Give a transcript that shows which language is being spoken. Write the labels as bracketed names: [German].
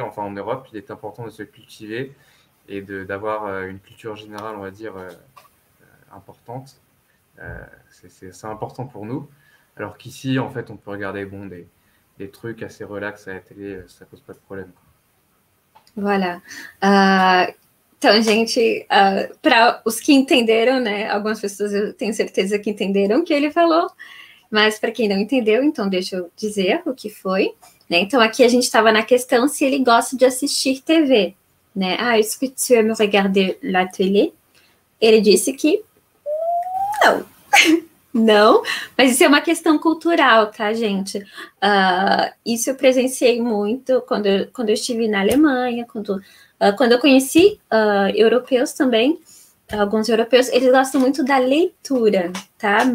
[French] Enfin, en Europe, il est important de se cultiver et d'avoir une culture générale, on va dire, importante. C'est important pour nous. Alors qu'ici, en fait, on peut regarder bon, des trucs assez relax à la télé, ça pose pas de problème, quoi. Voilà. [Portuguese] Então, gente, para os que entenderam, né? Algumas pessoas eu tenho certeza que entenderam o que ele falou, mas para quem não entendeu, então deixa eu dizer o que foi, né? Então, aqui a gente estava na questão se ele gosta de assistir TV, né? [French] Ah, est-ce que tu aimes regarder la télé? [Portuguese] Ele disse que não. Não, mas isso é uma questão cultural, tá, gente? Isso eu presenciei muito quando eu estive na Alemanha, quando eu conheci europeus também, alguns europeus, eles gostam muito da leitura, tá?